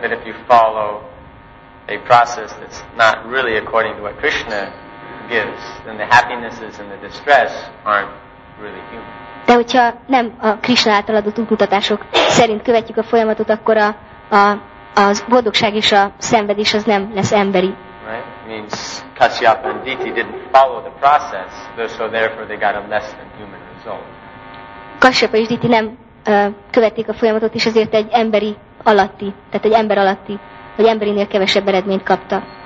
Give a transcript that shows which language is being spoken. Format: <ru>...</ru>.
<en>But if you follow a process that's not really according to what Krishna gives, then the happinesses and the distress aren't really human.</en> <hu>De hogyha nem a Krishna által adott útmutatások szerint követjük a folyamatot, akkor az boldogság és a szenvedés az nem lesz emberi.</hu> <en>Right? Means Kasyapa and Diti didn't follow the process, so therefore they got a less than human result.</en> <hu>Kasyapa és Diti nem követték a folyamatot, és ezért egy emberi alatti, tehát egy ember alatti, vagy emberinél kevesebb eredményt kapta.</hu>